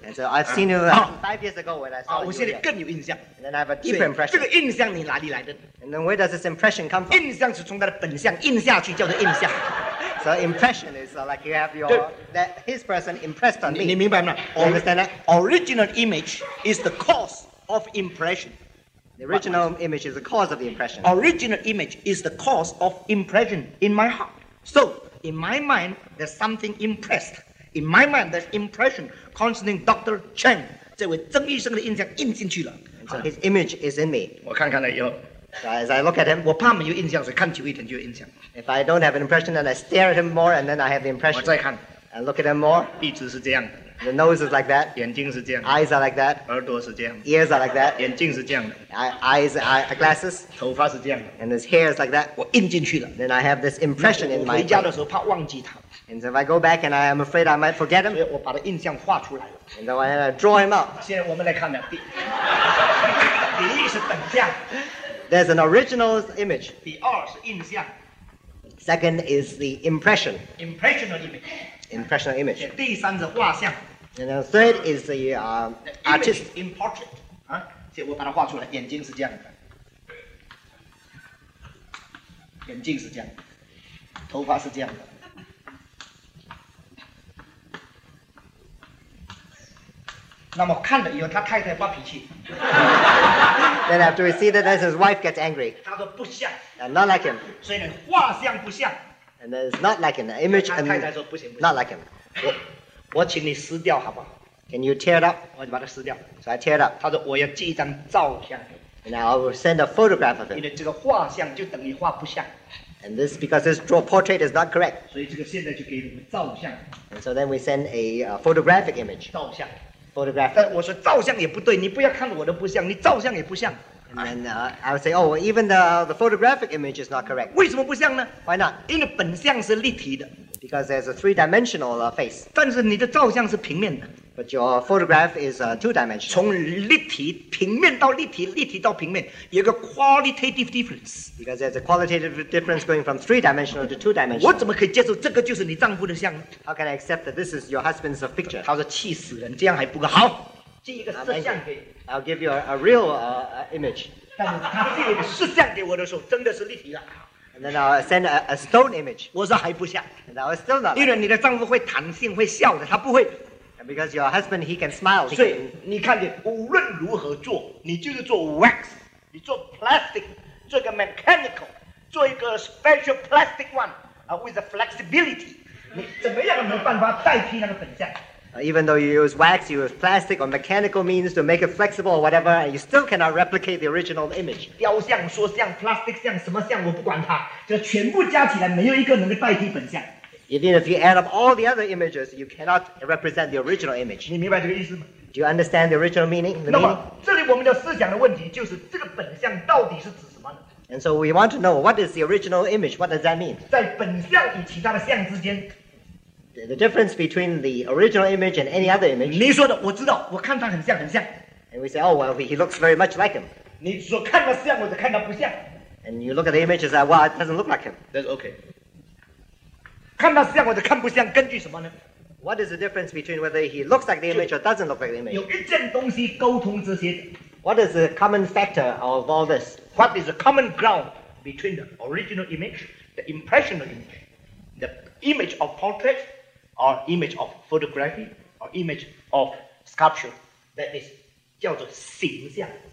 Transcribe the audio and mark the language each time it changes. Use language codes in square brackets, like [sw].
[en] And so I've seen you five years ago when I saw you. [zh] 我现在更有印象。 [en] And then I have a deep impression. [zh] 这个印象你哪里来的？ [en] And then where does this impression come from? [zh] 印象是从他的本相印下去叫做印象。 [en] So impression is like you have that his person impressed on me. [zh] 你明白吗？ [en] You understand that? Original image is the cause of impression. The original image is the cause of the impression. Original image is the cause of impression in my heart. So in my mind, there's something impressed. In my mind, there's impression concerning Dr. Chen. [zh] 这位曾医生的印象印进去了。 [en] So his image is in me. [zh] 我看看了以后。 [en] As I look at him, [zh] 我怕没有印象，所以看久一点就有印象。 [en] If I don't have an impression, then I stare at him more, and then I have the impression. [zh] 我再看 [en] ，I look at him more. [zh] 鼻子是这样 [en] ，the nose is like that. [zh] 眼睛是这样 [en] ，eyes are like that. [zh] 耳朵是这样 [en] ，ears are like that. [zh] 眼镜是这样 [en] ，eyes glasses. [zh] 头发是这样 [en] ，and his hair is like that. [zh] 我印进去了 [en] ，then I have this impression in my. [zh] 我回家的时候怕忘记他。 [en] And so if I go back and I am afraid I might forget him. [zh] 所以我把他印象画出来了。 [en] And then I have to draw him out. [zh] 现在我们来看两遍。第一是本相。 [en] There's an original image. [zh] 第二是印象。 [en] Second is the impression. Impressional image. Impressional image. [zh] 第三是画像。 [en] And then third is the artist. Image in portrait. [zh] 所以我把它画出来，眼睛是这样的，眼睛是这样的，头发是这样的。那么看了以后，他太太发脾气。 [en] Then after we see that, his wife gets angry. [zh] 他说不像。 [en] And not like him. [zh] 所以呢，画像不像。 [en] And it's not like an image. [zh] 他太太说不行不行。 [en] Not like him. [zh] 我请你撕掉好不好 [en] ？Can you tear it up? [zh] 我就把它撕掉。 [en] So I tear it up. [zh] 他说我要寄一张照相。 [en] And I will send a photograph of it. [zh] 因为这个画像就等于画不像。 [en] And this because this draw portrait is not correct. [zh] 所以这个现在就给你们照相。 [en] And so then we send a photographic image. [zh] 照相。 [en] Photograph. [zh] 但我说照相也不对，你不要看我的不像，你照相也不像。 [en] And then I would say, oh, well, even the photographic image is not correct. [zh] 为什么不像呢? [en] Why not? [zh] 因为本像是立体的。 [en] Because there's a three-dimensional face. [zh] 但是你的照像是平面的。 [en] But your photograph is two-dimensional. [zh] 从立体平面到立体，立体到平面，有个 [en] qualitative difference. Because there's a qualitative difference going from three-dimensional to two-dimensional. [zh] 我怎么可以接受这个就是你丈夫的像呢? [en] How can I accept that this is your husband's picture? [zh] 他说气死人，这样还不够好。寄一个摄像给。 [en] I'll give you a real image. [zh] 但是他寄一个摄像给我的时候，真的是立体的。 [en] And then I'll send a stone image. [zh] 我说还不像。 [en] And I was still not. [zh] 因为你的丈夫会弹性，会笑的，他不会。 [en] And because your husband, he can smile. [zh] 所以你看见，无论如何做，你就是做 wax, 你做 plastic, 做个 mechanical, 做一个 [en] special plastic one, with a flexibility. [zh] 你怎么样没办法代替那个本相？ [en] Even though you use wax, you use plastic or mechanical means to make it flexible or whatever, and you still cannot replicate the original image. [zh] 雕像说像 plastic 像什么像我不管它，就全部加起来没有一个能够代替本相。 [en] Even if you add up all the other images, you cannot represent the original image. [zh] 你明白这个意思吗？ [en] Do you understand the original meaning? [zh] 那么这里我们的思想的问题就是这个本相到底是指什么呢？ [en] And so we want to know what is the original image. What does that mean? [zh] 在本相与其他的相之间。 [en] The difference between the original image and any other image. [zh] 你说的我知道，我看他很像很像。 [en] And we say, oh well, he looks very much like him. [zh] 你说看他像，我就看他不像。 [en] And you look at the image and say, well, it doesn't look like him. That's okay. [zh] 看他像，我就看不像，根据什么呢？ [en] What is the difference between whether he looks like the image or doesn't look like the image? [zh] 有一件东西沟通这些。 [en] What is the common factor of all this? What is the common ground between the original image, the impressional image, the image of portrait? Or image of photography, or image of sculpture, that is [zh] 叫做形象